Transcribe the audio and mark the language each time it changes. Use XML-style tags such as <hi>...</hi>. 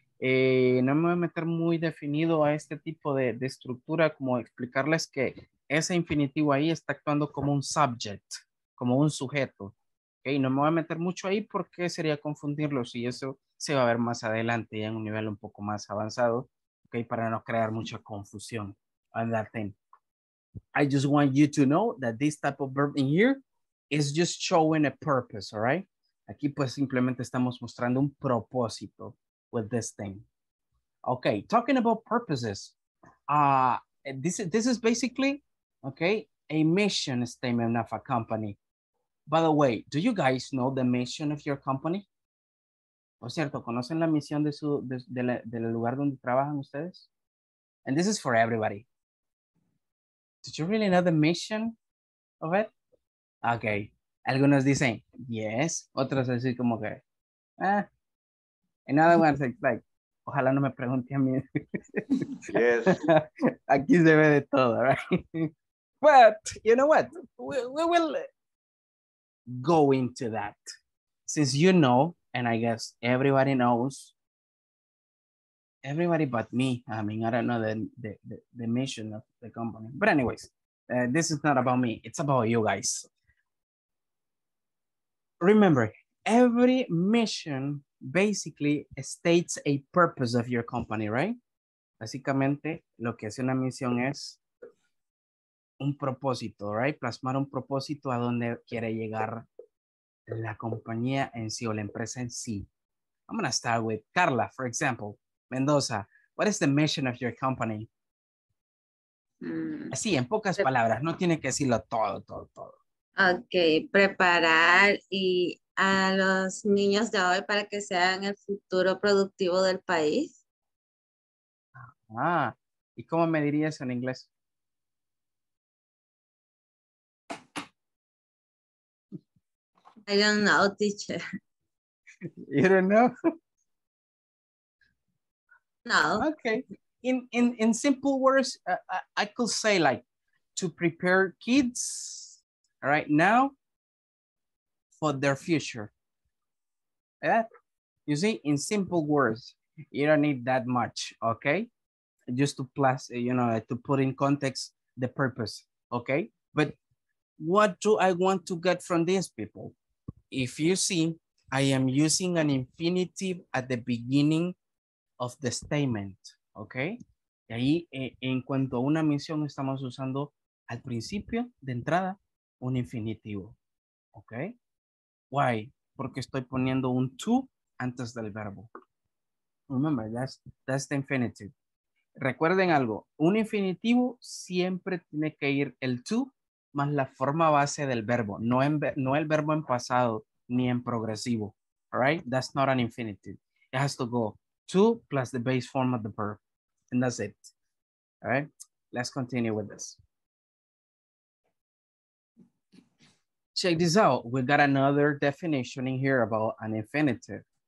<es>No me voy a meter muy definido a este tipo de estructura como explicarles que ese infinitivo ahí está actuando como un subject, como un sujeto. Okay, no me voy a meter mucho ahí porque sería confundirlos y eso se va a ver más adelante ya en un nivel un poco más avanzado, okay, para no crear mucha confusión.</es> <en>And that thing. I just want you to know that this type of verb in here is just showing a purpose, all right?</en> <es>Aquí pues simplemente estamos mostrando un propósito</es> <en>with this thing. Okay, talking about purposes. This is basically, okay, a mission statement of a company. By the way, do you guys know the mission of your company?</en> <es>Por cierto, ¿conocen la misión de su del lugar donde trabajan ustedes?</es> <en>And this is for everybody. Did you really know the mission of it?</en> <es>Okay. Algunos dicen, yes. Otros así como que,</es> <en>another one says, like,</en> <es>ojalá no me pregunte a mí.</es> <en>Yes.</en> <es>Aquí se ve de todo, right?</es> <en>But, you know what? We will go into that. Since you know, and I guess everybody knows, everybody but me, I mean, I don't know the mission of the company. But anyways, this is not about me. It's about you guys. Remember, every mission basically states a purpose of your company, right?</en> <es>Básicamente, lo que hace una misión es un propósito, right? Plasmar un propósito a donde quiere llegar la compañía en sí o la empresa en sí.</es> <en>I'm going to start with Carla, for example. Mendoza, what is the mission of your company?</en> <es>Así, en pocas palabras, no tiene que decirlo todo, todo, todo. Ok, preparar y a los niños de hoy para que sean el futuro productivo del país. Ah, ¿y cómo me dirías en inglés?</es> <en>I don't know, teacher. You don't know? No. Okay. In simple words, I could say like to prepare kids right now for their future. Yeah. You see, in simple words, you don't need that much, okay? Just to plus, you know, to put in context the purpose, okay? But what do I want to get from these people? If you see, I am using an infinitive at the beginning of the statement, okay?</en> <es>Y ahí, en cuanto a una misión, estamos usando al principio, de entrada, un infinitivo, okay? Why? Porque estoy poniendo un to antes del verbo.</es> <en>Remember, that's the infinitive.</en> <es>Recuerden algo, un infinitivo siempre tiene que ir el to más la forma base del verbo, no el verbo en pasado ni en progresivo, all right?</es> <en>That's not an infinitive. It has to go to plus the base form of the verb, and that's it, all right? Let's continue with this. Check this out. We got another definition in here about an infinitive.</en>